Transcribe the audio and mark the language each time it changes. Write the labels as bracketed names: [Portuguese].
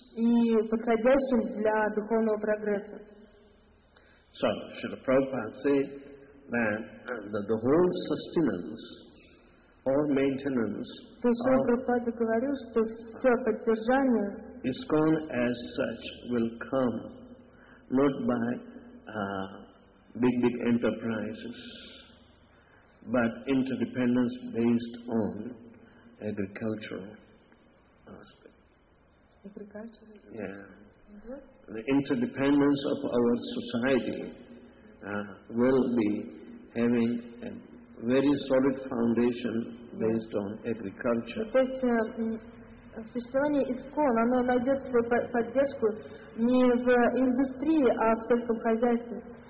[Russian] И подходящим для духовного прогресса. [English] So, Srila Prabhupada said that the whole sustenance or maintenance ISKCON as such will come not by big enterprises, but interdependence based on agricultural aspect. Agricultural? Yeah. The interdependence of our society will be having a very solid foundation based on agriculture. [Russian] То есть существование ИСККОН, оно найдет свою поддержку не в индустрии, а в сельском хозяйстве.